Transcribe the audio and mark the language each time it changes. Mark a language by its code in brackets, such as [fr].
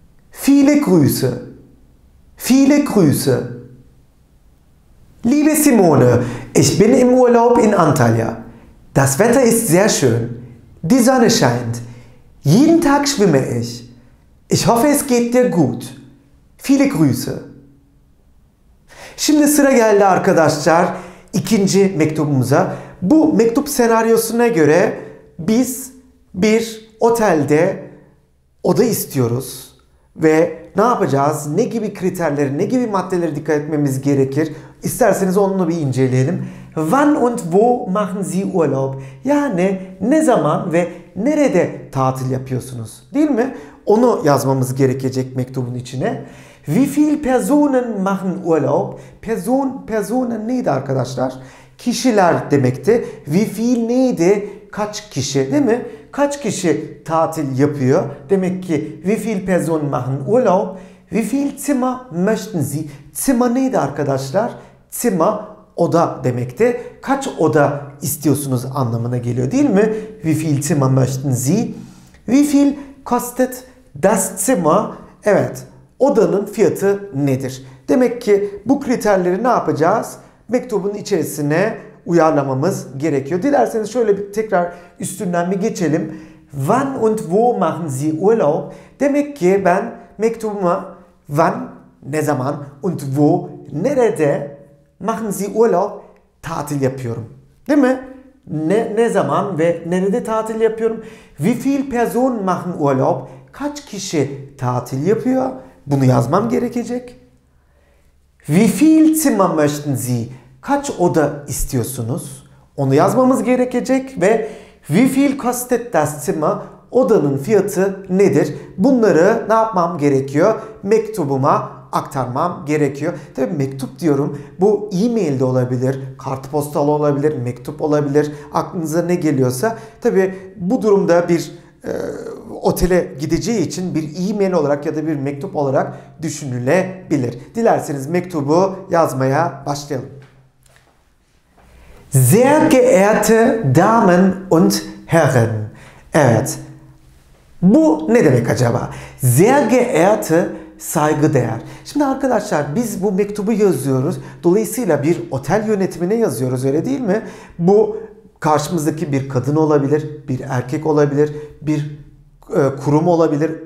[de] Viele Grüße. Viele Grüße. Liebe Simone, ich bin im Urlaub in Antalya. Das Wetter ist sehr schön. Die Sonne scheint. Jeden Tag schwimme ich. Ich hoffe, es geht dir gut. Viele Grüße. [tr] Şimdi sıra geldi arkadaşlar ikinci mektubumuza. Bu mektup senaryosuna göre biz bir otelde oda istiyoruz ve ne yapacağız? Ne gibi kriterleri, ne gibi maddeleri dikkat etmemiz gerekir? İsterseniz onu bir inceleyelim. [de] Wann und wo machen Sie Urlaub? [tr] Yani ne zaman ve nerede tatil yapıyorsunuz? Değil mi? Onu yazmamız gerekecek mektubun içine. [de] Wie viele Personen machen Urlaub? [tr] Personen neydi arkadaşlar? Kişiler demekti. [de] Wie viel [tr] neydi? Kaç kişi, değil mi? Kaç kişi tatil yapıyor? Demek ki [de] wie viel Personen machen Urlaub? Wie viel Zimmer möchten Sie? [tr] Zimmer neydi arkadaşlar? Zimmer oda demekti. Kaç oda istiyorsunuz anlamına geliyor, değil mi? [de] Wie viel Zimmer möchten Sie? Wie viel kostet das Zimmer? [tr] Evet. Odanın fiyatı nedir? Demek ki bu kriterleri ne yapacağız? Mektubun içerisine uyarlamamız gerekiyor. Dilerseniz şöyle bir tekrar üstünden bir geçelim. [de] Wann und wo machen Sie Urlaub? [tr] Demek ki ben mektubuma [de] wann, [tr] ne zaman, [de] und wo, [tr] nerede, [de] machen Sie Urlaub, [tr] tatil yapıyorum. Değil mi? Ne zaman ve nerede tatil yapıyorum? [de] Wie viel Person machen Urlaub? [tr] Kaç kişi tatil yapıyor? Bunu yazmam gerekecek. [de] Wie viel Zimmer möchten Sie? [tr] Kaç oda istiyorsunuz? Onu yazmamız gerekecek ve [de] wie viel kostet das Zimmer? [tr] Odanın fiyatı nedir? Bunları ne yapmam gerekiyor? Mektubuma aktarmam gerekiyor. Tabii mektup diyorum. Bu e-mail de olabilir, kartpostal olabilir, mektup olabilir. Aklınıza ne geliyorsa. Tabii bu durumda bir otele gideceği için bir e-mail olarak ya da bir mektup olarak düşünülebilir. Dilerseniz mektubu yazmaya başlayalım. [de] Sehr geehrte Damen und Herren. [tr] Evet. Bu ne demek acaba? [de] Sehr geehrte, [tr] saygıdeğer. Şimdi arkadaşlar biz bu mektubu yazıyoruz. Dolayısıyla bir otel yönetimine yazıyoruz, öyle değil mi? Bu karşımızdaki bir kadın olabilir, bir erkek olabilir, bir kurum olabilir.